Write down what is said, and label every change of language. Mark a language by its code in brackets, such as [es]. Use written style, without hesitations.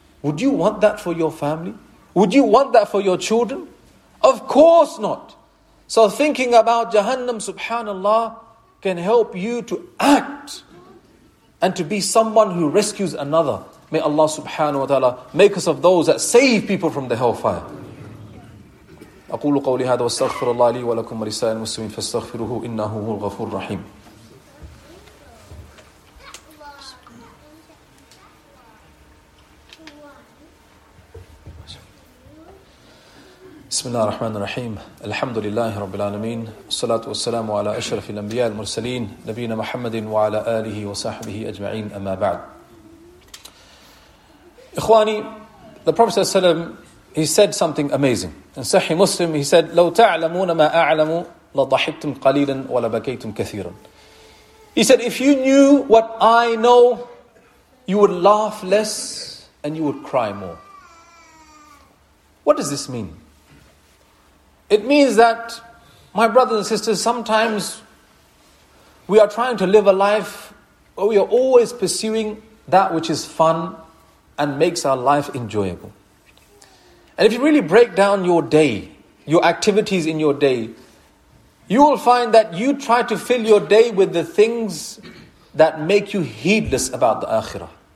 [en] Would you want that for your family? Would you want that for your children? Of course not. So thinking about Jahannam, subhanAllah, can help you to act and to be someone who rescues another. May Allah subhanahu wa ta'ala make us of those that save people from the hellfire. [ar] أقول قولي هذا واستغفر الله لي ولكم ولسائر المسلمين فاستغفروه إنه هو الغفور الرحيم. بسم الله الرحمن الرحيم الحمد لله رب العالمين الصلاة والسلام على أشرف الأنبياء المرسلين نبينا محمد وعلى آله وصحبه أجمعين أما بعد إخواني [en] the Prophet [ar] صلى الله عليه وسلم [en] he said something amazing in Sahih Muslim he said [ar] لو تعلمون ما أعلم لضحكتم قليلا ولا بكيتم كثيرا [en] he said if you knew what I know you would laugh less and you would cry more what does this mean It means that, my brothers and sisters, sometimes we are trying to live a life where we are always pursuing that which is fun and makes our life enjoyable. And if you really break down your day, your activities in your day, you will find that you try to fill your day with the things that make you heedless about the Akhirah.